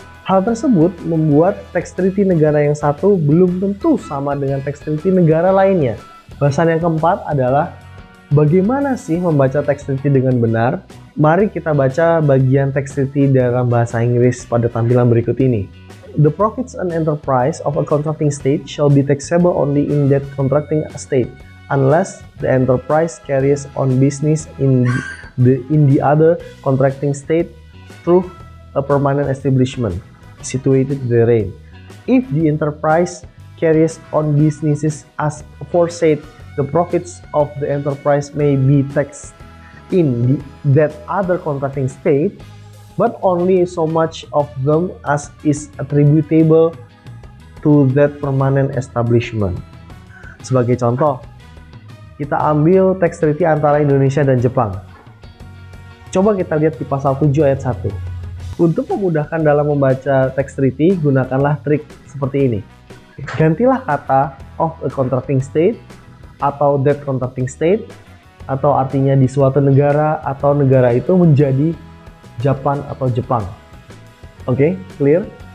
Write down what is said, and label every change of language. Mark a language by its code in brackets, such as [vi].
[id] Hal tersebut membuat tax treaty negara yang satu belum tentu sama dengan tax treaty negara lainnya. Bahasan yang keempat adalah, bagaimana sih membaca tax treaty dengan benar? Mari kita baca bagian tax treaty dalam bahasa Inggris pada tampilan berikut ini. [en] The profits and enterprise of a contracting state shall be taxable only in that contracting state, unless the enterprise carries on business in the other contracting state through a permanent establishment situated therein. If the enterprise carries on businesses as aforesaid, the profits of the enterprise may be taxed in that other contracting state, but only so much of them as is attributable to that permanent establishment. [id] Sebagai contoh, kita ambil tax treaty antara Indonesia dan Jepang. Coba kita lihat di pasal 7 ayat 1. Untuk memudahkan dalam membaca tax treaty, gunakanlah trik seperti ini. Gantilah kata [en] of a contracting state [id] atau [en] that contracting state, [id] atau artinya di suatu negara atau negara itu, menjadi Japan atau Jepang. [en] Oke, clear?